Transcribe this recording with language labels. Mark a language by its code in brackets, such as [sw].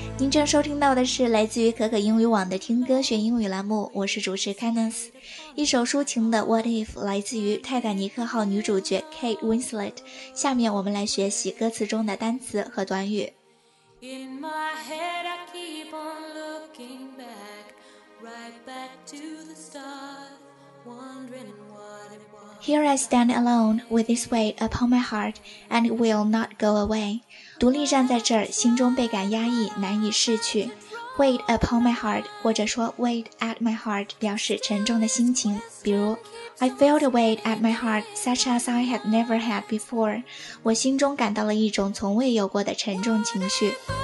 [zh] 正收听到的是来自于可可英语网的听歌学英语栏目，我是主持 Candice。一首抒情的 What If 来自于泰坦尼克号女主角 Kate Winslet， 下面我们来学习歌词中的单词和短语。 [en] In my head I keep on looking back, right back to the stars, wondering what it was. Here I stand alone with this weight upon my heart, and it will not go away. [zh] 独立站在这儿，心中倍感压抑，难以逝去。 Weight upon my heart 或者说 weight at my heart 表示沉重的心情，比如 [en] I felt a weight at my heart such as I had never had before， [zh] 我心中感到了一种从未有过的沉重情绪。